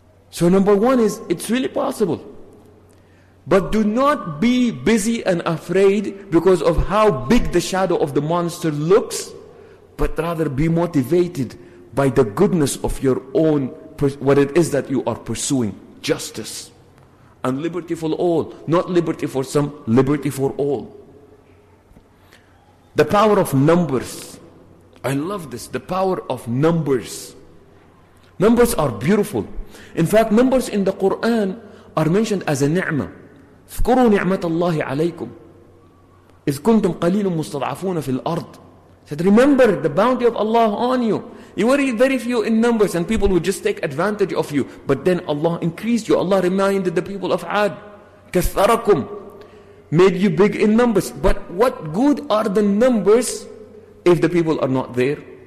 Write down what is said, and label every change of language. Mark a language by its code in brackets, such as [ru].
[en] So number one is, it's really possible. But do not be busy and afraid because of how big the shadow of the monster looks, but rather be motivated by the goodness of your own, what it is that you are pursuing, justice and liberty for all, not liberty for some, liberty for all. The power of numbers. I love this, the power of numbers. Numbers are beautiful. In fact, numbers in the Quran are mentioned as a ni'mah. [ar] اذكروا نعمة الله عليكم إذ كنتم قليل مستضعفون في الأرض. [en] Said, remember the bounty of Allah on you. You were very few in numbers and people would just take advantage of you. But then Allah increased you. Allah reminded the people of Ad. [ar] كثركم. [en] Made you big in numbers. But what good are the numbers if the people are not there?